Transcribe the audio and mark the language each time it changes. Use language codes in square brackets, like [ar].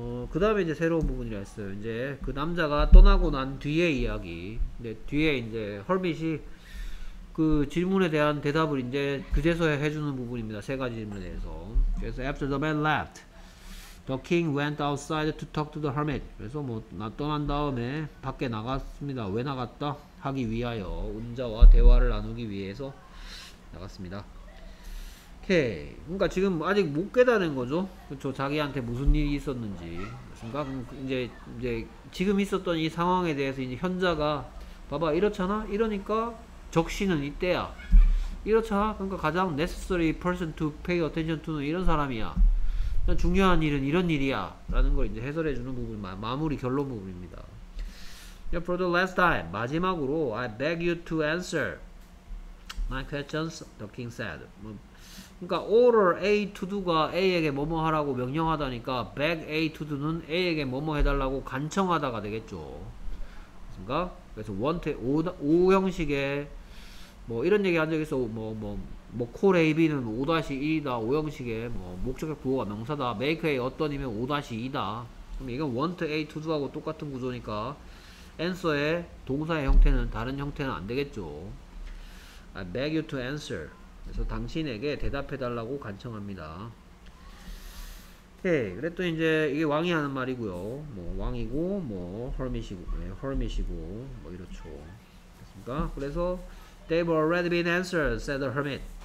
[ko] 그다음에 이제 새로운 부분이라 했어요. 이제 그 남자가 떠나고 난 뒤에 이야기. 근데 뒤에 이제 허빗이 그 질문에 대한 대답을 이제 그제서야 해주는 부분입니다. 세 가지 질문에 대해서. [en] 그래서 after the man left, the king went outside to talk to the hermit. [ko] 그래서 뭐나 떠난 다음에 밖에 나갔습니다. 왜 나갔다? 하기 위하여 운자와 대화를 나누기 위해서 나갔습니다. 오케이. 그러니까 지금 아직 못 깨달은 거죠. 그렇죠. 자기한테 무슨 일이 있었는지. 그러니까 이제 지금 있었던 이 상황에 대해서 이제 현자가 봐봐 이렇잖아. 이러니까 적시는 이때야. 이렇잖아. 그러니까 가장 [en] necessary person to pay attention to [ko] 는 이런 사람이야. 중요한 일은 이런 일이야 라는 걸 이제 해설해 주는 부분, 마무리 결론 부분입니다. [en] For the last time, [ko] 마지막으로 [en] I beg you to answer my questions, the king said. [ko] 그러니까 order A to do가 A에게 뭐뭐 하라고 명령하다니까 beg A to do는 A에게 뭐뭐 해달라고 간청하다가 되겠죠. 그러니까 그래서 want, O 형식의 뭐 이런 얘기 한적 있어. 뭐 call AB는 5-1이다. O 형식의 뭐 목적격 부호가 명사다. make A 어떤이면 5-2다. 그럼 이건 want A to do하고 똑같은 구조니까 answer의 동사의 형태는 다른 형태는 안 되겠죠. [en] I beg you to answer. [ko] 그래서 당신에게 대답해 달라고 간청합니다. 오케이. 그랬더니 이제 이게 왕이 하는 말이고요. 뭐 왕이고 뭐 허름이시고 뭐 이렇죠. 됐습니까? [en] 그래서 they've already been answered, said the hermit.